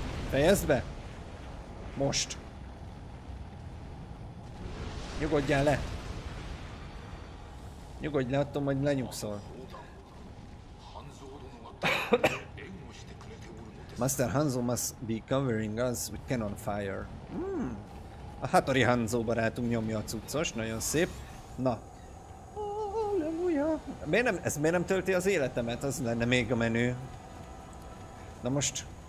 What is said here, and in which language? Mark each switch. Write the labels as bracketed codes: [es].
[hu] Fejezd be! Most! Nyugodjál le! Nyugodj le, attól majd lenyugszol. [en] Master Hanzo must be covering us with cannon fire. Hmm. [hu] A Hattori Hanzo barátunk nyomja a cuccos, nagyon szép. Na. Halleluja! Ez miért nem tölti az életemet? Az lenne még a menő. Na most...